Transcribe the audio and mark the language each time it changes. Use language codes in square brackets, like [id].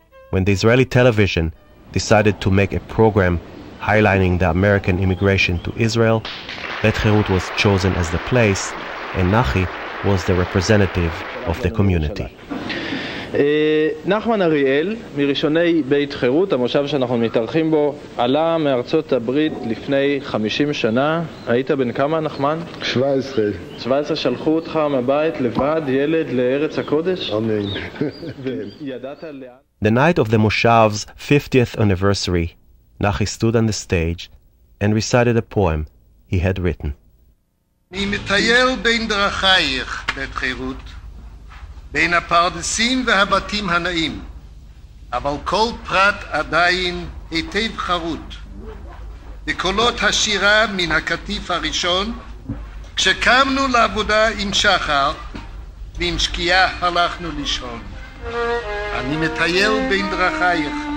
[en] When the Israeli television decided to make a program highlighting the American immigration to Israel, Bet Herut was chosen as the place, and Nachi was the representative of the community. [he] נחמן אריאל, מראשוני בית חירות, המושב שאנחנו מתארחים בו, עלה מארצות הברית לפני 50 שנה. היית בן כמה, נחמן? 17. 17 שלחו אותך מהבית לבד, ילד, לארץ הקודש? אמן. וידעת לאן? [en] The night of the Moshav's 50th anniversary, Nachi stood on the stage and recited a poem he had written. [he] אני מטייל בין דרכייך, בית חירות. בין הפרדסים והבתים הנעים, אבל כל פרט עדיין היטב חרות. בקולות השירה מן הקטיף הראשון, כשקמנו לעבודה עם שחר, ועם שקיעה הלכנו לישון. אני מטייל בין דרכייך,